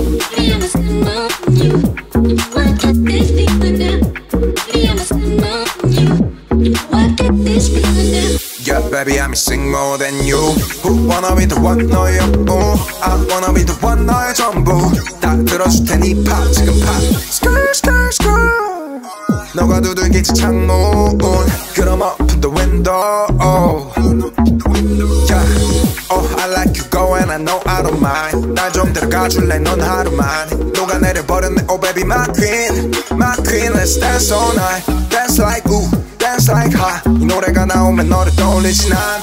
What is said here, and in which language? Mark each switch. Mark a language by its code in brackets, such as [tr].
[en] Maybe I'm missing more than you. You know I got this feeling now. Maybe I'm missing more than you. You know I got this feeling now. Yeah, baby, I'm missing more than you. Who wanna be the one, [ko] 너의 영웅. [en] I wanna be the one, [ko] 너의 전부. 다 들어줄 테니 팝, 지금 팝. Skrrr, skrrr, skrrr. 너가 두들기지 창문. 그럼 [en] open the window. Yeah. Oh, I like you go and I know I don't mind. [ko] 날 좀 들어가줄래, 넌 하루만. 녹아내려버렸네, [en] oh baby, my queen. My queen, let's dance all night. Dance like, ooh. Dance like ha, [ko] 이 노래가 나오면 너를 떠올리지 난.